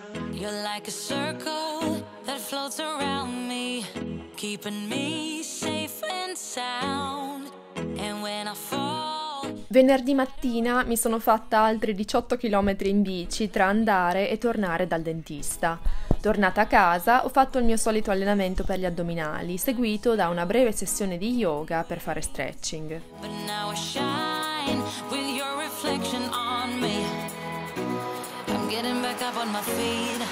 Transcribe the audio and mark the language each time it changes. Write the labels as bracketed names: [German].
[English] You're like a circle that floats around me, keeping me safe and sound. And when I fall. [Italian] Venerdì mattina mi sono fatta altri 18 km in bici tra andare e tornare dal dentista. Tornata a casa, ho fatto il mio solito allenamento per gli addominali, seguito da una breve sessione di yoga per fare stretching. [English] But now I shine with your reflection on me. I'm getting back up on my feet.